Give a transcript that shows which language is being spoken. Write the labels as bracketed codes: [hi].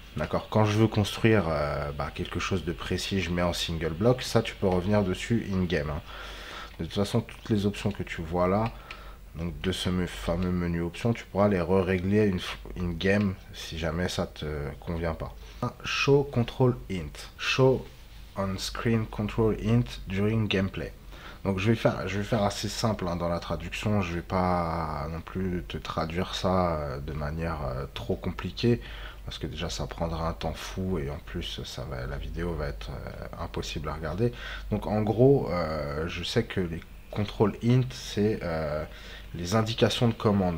[fr] D'accord, quand je veux construire quelque chose de précis, je mets en single block. Ça, tu peux revenir dessus in-game. Hein. De toute façon, toutes les options que tu vois là, donc de ce fameux menu options, tu pourras les re-régler in-game si jamais ça te convient pas. [en] Show control int. Show on screen control int during gameplay. [fr] Donc je vais faire assez simple hein, dans la traduction. Je vais pas non plus te traduire ça de manière trop compliquée. Parce que déjà ça prendra un temps fou et en plus ça va, la vidéo va être impossible à regarder. Donc en gros, je sais que les contrôles int, c'est les indications de commande.